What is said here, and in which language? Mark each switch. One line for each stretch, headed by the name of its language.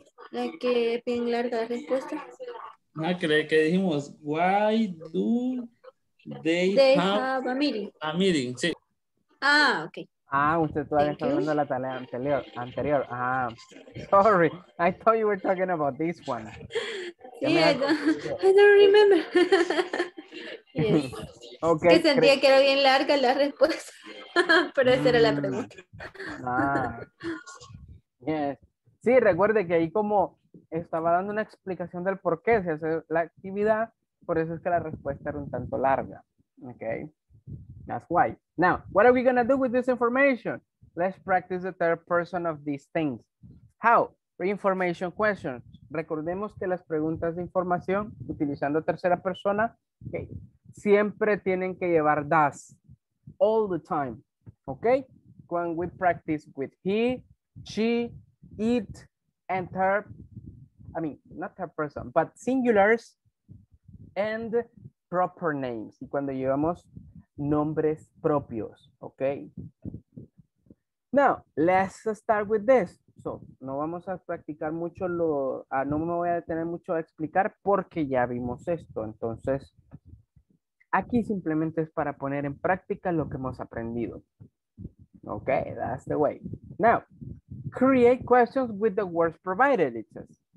Spanish: La que piden larga respuesta.
English: Ah,
Spanish: creo que dijimos,
English: why do they have a meeting? A meeting, sí. Ah, ok.
Spanish: Ah, usted todavía está viendo la tarea anterior.
English: Ah, sorry. I thought you were talking about this one. I don't remember. Yes. Okay.
Spanish: Que sentía que era bien larga la respuesta. Pero esa era la pregunta.
English: Ah. Yes.
Spanish: Sí, recuerde que ahí como estaba dando una explicación del por qué se hace la actividad, por eso es que la respuesta era un tanto larga.
English: Okay. That's why. Now, what are we going to do with this information? Let's practice the third person of these things. How? Information questions.
Spanish: Recordemos que las preguntas de información utilizando tercera persona, okay, siempre tienen que llevar
English: does all the time.
Spanish: Okay?
English: When we practice with he, she, it, and third, I mean, not third person, but singulars and proper names.
Spanish: Y cuando llevamos nombres propios.
English: Okay? Now, let's start with this.
Spanish: So, no vamos a practicar mucho lo, no me voy a detener mucho a explicar porque ya vimos esto. Entonces, aquí simplemente es para poner en práctica lo que hemos aprendido.
English: Okay, that's the way. Now, create questions with the words provided, it says.